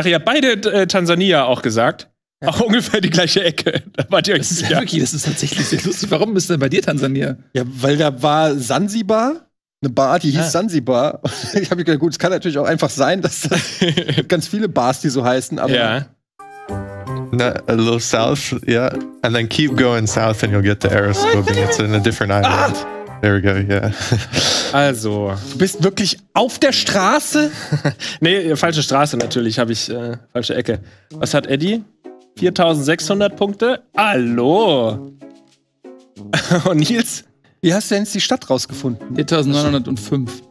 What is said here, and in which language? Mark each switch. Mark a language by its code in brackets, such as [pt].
[de] Ach ja, beide Tansania auch gesagt. Auch ungefähr die gleiche Ecke. Da wart ihr euch sicher. Ja, wirklich, das ist tatsächlich sehr lustig. Warum bist du denn bei dir Tansania? Ja, weil da war Sansibar, eine Bar, die hieß Sansibar. Ich habe gedacht, gut, es kann natürlich auch einfach sein, dass da ganz viele Bars, die so heißen, aber. Ja. [en] Na, a little south, yeah. And then keep going south and you'll get the Aeroscoping. It's in a different island. There we go, yeah. [de] Also. Du bist wirklich auf der Straße? Nee, falsche Straße natürlich, habe ich falsche Ecke. Was hat Eddie? 4600 Punkte. Hallo. Und Nils? Wie hast du denn jetzt die Stadt rausgefunden? 4905.